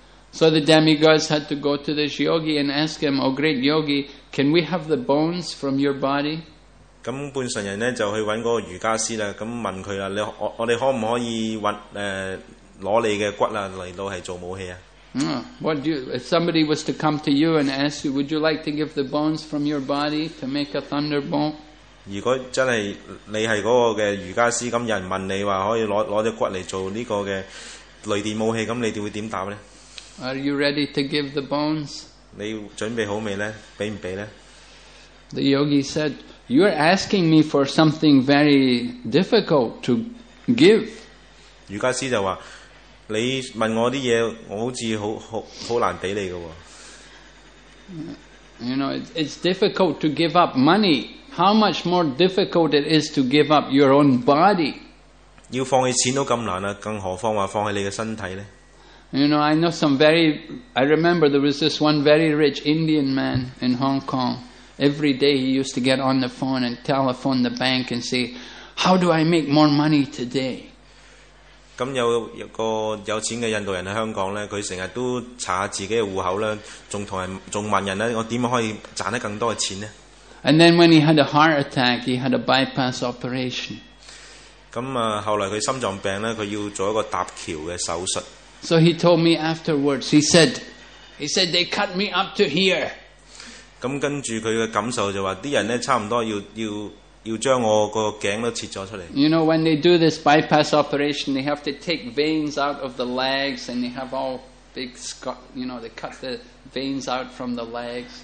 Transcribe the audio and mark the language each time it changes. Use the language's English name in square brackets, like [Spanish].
[English] So the demigods had to go to this yogi and ask him, "Oh great yogi, can we have the bones from your body?" [Cantonese] 咁半神人咧就去揾嗰個瑜伽師啦，咁問佢啦，我哋可唔可以揾攞你嘅骨啊嚟到係做武器啊？ [English] If somebody was to come to you and ask you, would you like to give the bones from your body to make a thunderbolt? [Cantonese] 如果真係你係嗰個嘅瑜伽師，咁有人問你話可以攞只骨嚟做呢個嘅雷電武器，咁你會點答咧？ [English] Are you ready to give the bones? [Cantonese] 你準備好未咧？俾唔俾咧？ [English] The yogi said, "You are asking me for something very difficult to give." [Cantonese] 瑜伽師就話。你問我啲嘢，我好似好難俾你嘅喎。 [English] You know, it's difficult to give up money. How much more difficult it is to give up your own body? [Cantonese] 要放棄錢都咁難啦，更何況話放棄你嘅身體咧 [English] ？You know, I know some very. I remember there was this one very rich Indian man in Hong Kong. Every day he used to get on the phone and telephone the bank and say, "How do I make more money today?" [Cantonese] 咁有個有錢嘅印度人喺香港咧，佢成日都查下自己嘅户口啦，仲問人咧，我點可以賺得更多嘅錢咧 [English] ？And then when he had a heart attack, he had a bypass operation. [Cantonese] 咁啊，後來佢心臟病咧，佢要做一個搭橋嘅手術。 [English] So he told me afterwards. He said they cut me up to here. [Cantonese] 咁跟住佢嘅感受就話，啲人咧差唔多要將我個頸都切咗出嚟。 [English] You know, when they do this bypass operation, they have to take veins out of the legs, and they have all big, you know, they cut the veins out from the legs.